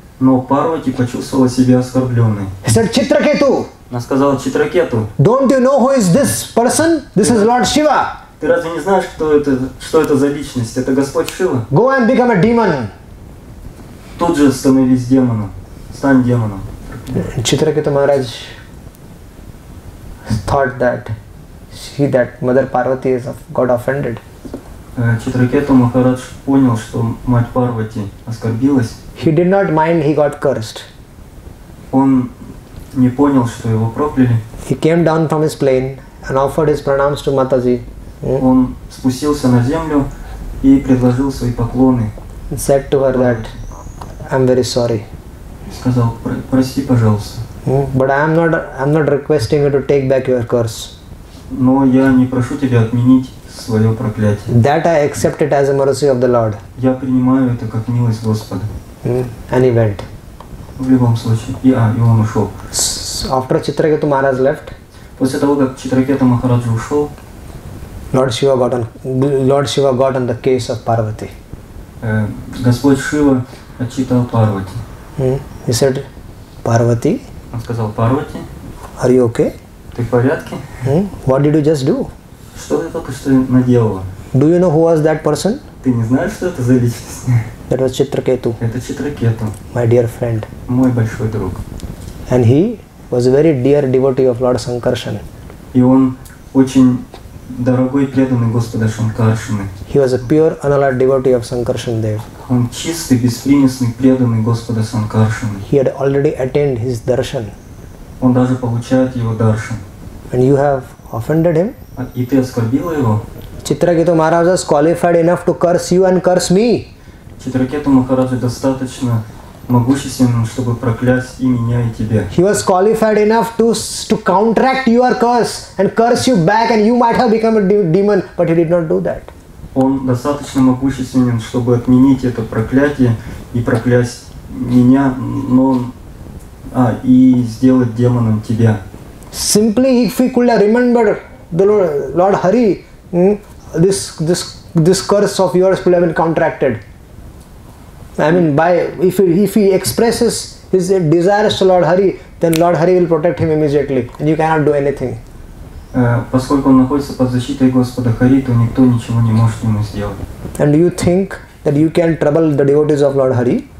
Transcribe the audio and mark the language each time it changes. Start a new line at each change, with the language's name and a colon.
Russian: Но Парвати почувствовала себя оскорбленной.
English: He said, Chitraketu.
Russian: Она сказала, Chitraketu.
English: Don't you know who is this person? This is Lord Shiva.
Russian: Ты разве не знаешь, что это за личность? Это Господь Шива.
English: Go and become a demon.
Russian: Тут же становись демоном. Стань демоном.
English: Chitraketu Maharaj thought that, see that Mother Parvati is got offended.
Russian: Chitraketu Maharaj понял, что мать Парвати оскорбилась.
English: He did not mind, he got cursed.
Russian: Он не понял, что его прокляли.
English: He came down from his plane and offered his pranams to Mataji.
Russian: Он спустился на землю и предложил свои поклоны.
English: And said to her that, I'm very sorry.
Russian: Сказал, прости, пожалуйста.
English: But I'm not requesting you to take back your curse.
Russian: Но я не прошу тебя отменить свое проклятие.
English: That I accept it as a mercy of the Lord.
Russian: Я принимаю это как милость Господа.
English: And he went.
Russian: В любом случае, и он ушел.
English: After Chitraketu Maharaj left.
Russian: После того, как Chitraketu Maharaj ушел.
English: Lord Shiva got on the case of Parvati.
Russian: Господь Шива отчитал Парвати.
English: He said, Parvati.
Russian: Он сказал, Парвати.
English: Are you okay?
Russian: Ты в порядке?
English: What did you just do?
Russian: Что ты только что наделала?
English: Do you know who was that person?
Russian: Ты не знаешь, что это за личность?
English: That was Chitraketu.
Russian: Это Chitraketu.
English: My dear friend.
Russian: Мой большой друг.
English: And he was a very dear devotee of Lord Sankarshan.
Russian: И он очень дорогой преданный Господа Шанкаршаны.
English: He was a pure annulled devotee of Sankarshan Dev.
Russian: Он чистый, беспримесный, преданный Господа Санкаршана.
English: He had already attained his darshan.
Russian: Он даже получает его даршан.
English: And you have offended him?
Russian: И ты оскорбила его?
English: Chitraketu Maharaj is qualified enough to curse you and curse me.
Russian: Chitraketu Maharaj достаточно могущественным, чтобы проклясть и меня, и тебя.
English: He was qualified enough to counteract your curse and curse you back, and you might have become a demon, but he did not do that.
Russian: Он достаточно могущественен, чтобы отменить это проклятие и проклясть меня, но и сделать демоном тебя.
English: Simply if he could have remembered the Lord Hari, this curse of yours could have been contracted. I mean, if he expresses his desires to Lord Hari, then Lord Hari will protect him immediately, and you cannot do anything.
Russian: Поскольку он находится под защитой Господа Хари, то никто ничего не может ему сделать.
English: And you think that you can trouble the devotees of Lord Hari?